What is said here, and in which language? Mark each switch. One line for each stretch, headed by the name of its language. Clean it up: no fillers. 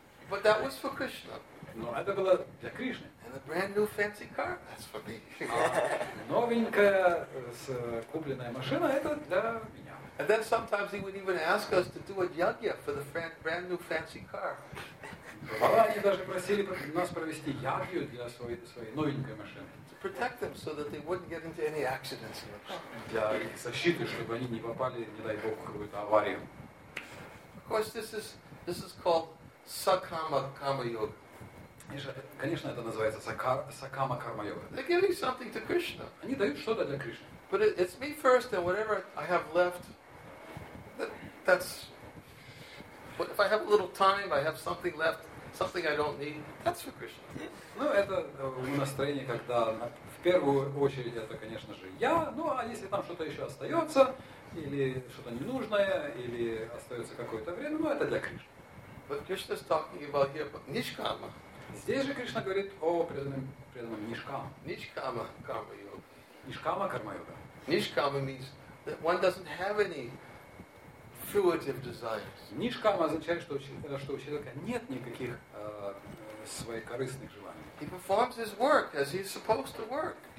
English: But that was for Krishna.
Russian: Но это было для Кришны.
English: And a brand new fancy car, that's for me.
Russian: Новенькая купленная машина, это для меня.
English: And then sometimes he would even ask us to do a yagya for the brand new fancy car.
Russian: Они даже просили нас провести ягью для своей новенькой машины.
English: To protect them so that they wouldn't get into any accidents.
Russian: Для защиты, чтобы они не попали, не дай бог, в какую-то аварию.
English: Of course, this is called Sakama Karma Yoga.
Russian: Конечно, это называется Сакама Карма Йога.
English: They're giving something to Krishna.
Russian: Они дают что-то для Кришны.
English: But it's me first, and whatever I have left, that's. But if I have a little time, I have something left, something I don't need. That's for Krishna.
Russian: Ну, это настроение, когда в первую очередь это, конечно же, я. Ну, а если там что-то еще остается, или что-то ненужное, или остается какое-то время, ну, это для Кришны.
English: But Krishna is talking about here, but nishkama.
Russian: Здесь же Кришна говорит о преданном нишкама.
English: Nishkama karma yoga. Nishkama karma yoga. Nishkama means that one doesn't have any fruitive desires.
Russian: Nishkama означает, что у человека нет никаких своих корыстных желаний.
English: He performs his work as he's supposed to work.